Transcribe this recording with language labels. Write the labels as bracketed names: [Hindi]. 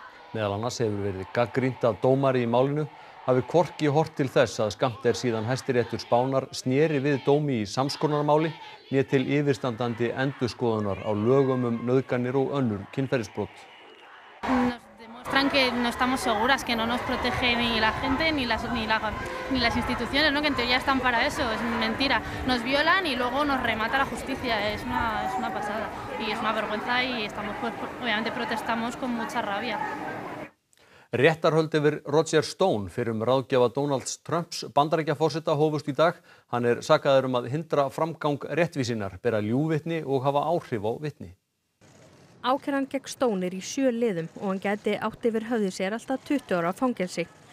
[Icelandic] Meðal annars hefur verið gagnrýnt að dómari í málinu hafi hvorki horft til þess að skammt síðan Hæstiréttur Spánar sneri við dómi í samskonarmáli né til yfirstandandi endurskoðunar á lögum nauðganir og önnur kynferðisbrot. [Spanish] Demostran que no estamos seguras, que no nos protege ni la gente ni las instituciones, ¿no? Que en teoría están para eso, es mentira. Nos violan y luego nos remata la justicia, es una pasada y es una vergüenza y estamos pues, obviamente protestamos con mucha rabia. [Icelandic] Réttarhöld yfir Roger Stone fyrir ráðgjafa Donalds Trumps Bandaríkjaforseta hófust í dag. Hann sakaður að hindra framgang réttvísinnar, bera ljúvitni og hafa áhrif á vitni. Ákæran gegn Stone í sjö liðum og hann gæti átt yfir höfði sér alltaf 20 ára fangelsi.